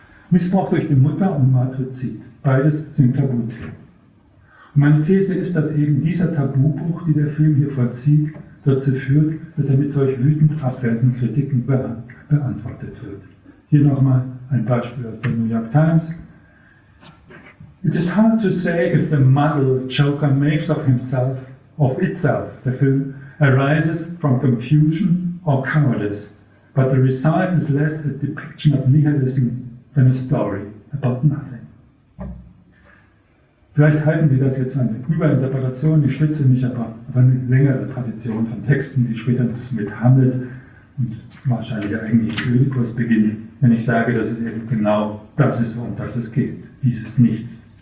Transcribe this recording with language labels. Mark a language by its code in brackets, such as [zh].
[de] Missbrauch durch die Mutter und Matrizid. Beides sind Tabuthemen. Und meine These ist, dass eben dieser Tabubruch, den der Film hier vollzieht, dazu führt, dass er mit solch wütend abwertenden Kritiken beantwortet wird. Hier nochmal ein Beispiel aus der New York Times. [en] It is hard to say if the muddle Joker makes of himself, of itself, the film, arises from confusion or cowardice, but the result is less a depiction of nihilism than a story about nothing. [de] Vielleicht halten Sie das jetzt für eine Überinterpretation, ich stütze mich aber auf eine längere Tradition von Texten, die später mit Hamlet und wahrscheinlich eigentlich Ödipus beginnt, wenn ich sage, dass es eben genau das ist, um das es geht, dieses Nichts.